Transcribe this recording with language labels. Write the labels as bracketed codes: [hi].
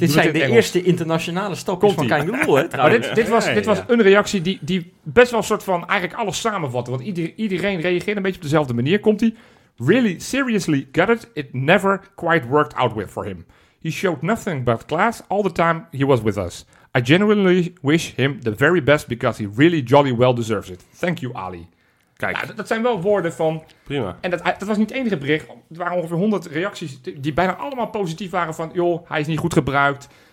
[nl] dit zijn de eerste internationale stokjes van Kijn Loel, hè? Maar dit was een reactie die best wel een soort van eigenlijk alles samenvatte. Want iedereen reageerde een beetje op dezelfde manier. Komt hij? [en] Really, seriously, got it. It never quite worked out with for him. He showed nothing but class all the time he was with us. I genuinely wish him the very best because he really jolly well deserves it. Thank you, Ali. [nl] Kijk. Ja, dat zijn wel woorden van... Prima. En dat was niet het enige bericht. Er waren ongeveer 100 reacties die bijna allemaal positief waren van... joh, hij is niet goed gebruikt.